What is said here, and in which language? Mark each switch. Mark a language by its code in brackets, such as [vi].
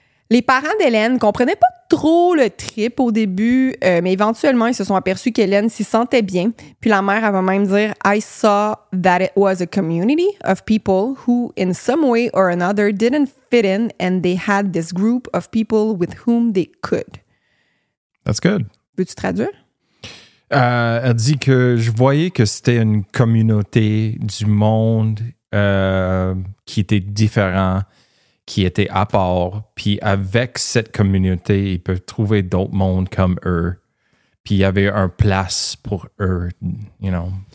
[fr] Les parents d'Hélène comprenaient pas trop le trip au début, mais éventuellement, ils se sont aperçus qu'Hélène s'y sentait bien. Puis la mère avait même dit [en] « I saw that it was a community of people who, in some way or another, didn't fit in and they had this group of people with whom they could. » That's good. [fr] Veux-tu traduire? Elle dit que je voyais que c'était une communauté du monde qui était différent, qui était à part, puis avec cette communauté, ils peuvent trouver d'autres mondes comme eux, puis il y avait un place pour eux, [en] you know.